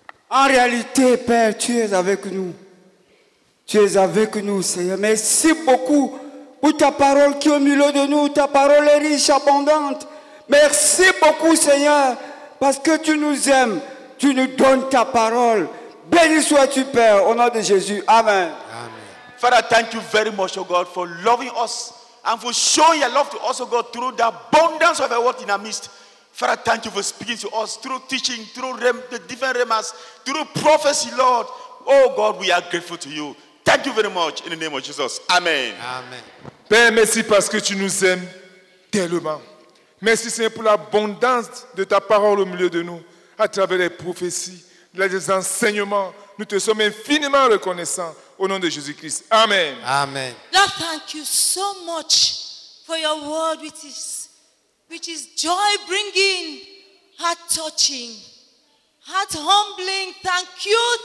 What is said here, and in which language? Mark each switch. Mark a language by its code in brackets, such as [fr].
[fr] En réalité, Père, tu es avec nous. Tu es avec nous, Seigneur. Merci beaucoup pour ta parole qui est au milieu de nous. Ta parole est riche, abondante. Merci beaucoup, Seigneur, parce que tu nous aimes. Tu nous donnes ta parole. Béni sois-tu, Père, au nom de Jésus. Amen. Amen. [en] Father, thank you very much, oh God, for loving us and for showing your love to us, oh God, through the abundance of your word in our midst. Father, thank you for speaking to us through teaching, through the different remas, through prophecy, Lord. Oh God, we are grateful to you. Thank you very much in the name of Jesus. Amen. Amen. [fr] Père, merci parce que tu nous aimes tellement. Merci, Seigneur, pour l'abondance de ta parole au milieu de nous, à travers les prophéties, les enseignements. Nous te sommes infiniment reconnaissants. Au nom de Jésus-Christ. Amen. Amen. [en] Lord, thank you so much for your word which is joy-bringing, heart-touching, heart-humbling. Thank you.